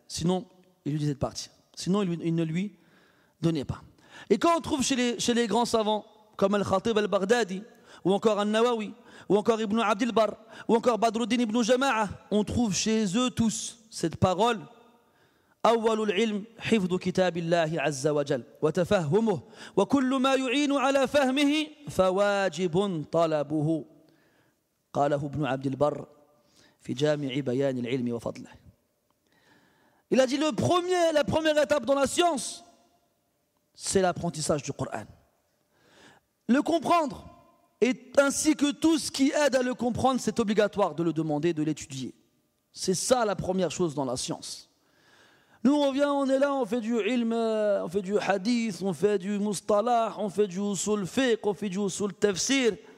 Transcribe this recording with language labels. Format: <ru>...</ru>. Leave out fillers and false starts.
<fr>Sinon, il lui disait de partir. Sinon, il ne lui donnait pas. Et quand on trouve chez les grands savants, comme Al-Khatib Al-Baghdadi, ou encore Al-Nawawi, ou encore Ibn Abdilbar, ou encore Badruddin Ibn Jama'a, on trouve chez eux tous cette parole.</fr> <ar>أول العلم حفظ كتاب الله عز وجل وتفهمه وكل ما يعين على فهمه فواجب طلبه قاله ابن عبد البر في جامع بيان العلم وفضله.</ar> <fr>Il a dit la première étape dans la science, c'est l'apprentissage du Coran. Le comprendre et ainsi que tout ce qui aide à le comprendre, c'est obligatoire de le demander, de l'étudier. C'est ça la première chose dans la science. Nous, on vient, on est là, on fait du ilm, on fait du hadith, on fait du mustalah, on fait du usul fiqh, on fait du usul tafsir.</fr>